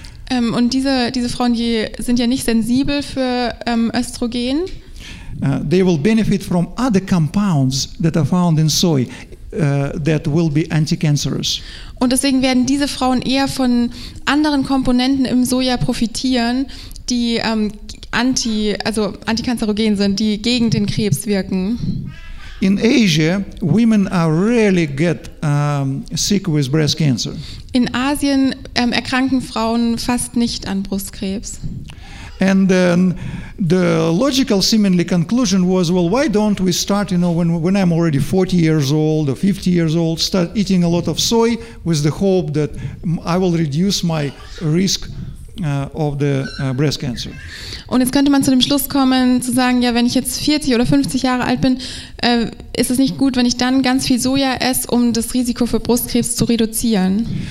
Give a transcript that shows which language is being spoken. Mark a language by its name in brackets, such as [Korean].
[German] Und diese Frauen, die sind ja nicht sensibel für Östrogen. [English] They will benefit from other compounds that are found in soy that will be anti-cancerous. [German] Und deswegen werden diese Frauen eher von anderen Komponenten im Soja profitieren, die antikanzerogen sind, die gegen den Krebs wirken. [English] In Asia, women rarely get sick with breast cancer. [German] In Asien erkranken Frauen fast nicht an Brustkrebs. [English] And then the logical seemingly conclusion was, well, why don't we start, you know, when I'm already 40 years old or 50 years old, start eating a lot of soy with the hope that I will reduce my risk of the breast cancer. [German] Und jetzt könnte man zu dem Schluss kommen, zu sagen, ja, wenn ich jetzt 40 oder 50 Jahre alt bin, ist es nicht gut, wenn ich dann ganz viel Soja esse, um das Risiko für Brustkrebs zu reduzieren.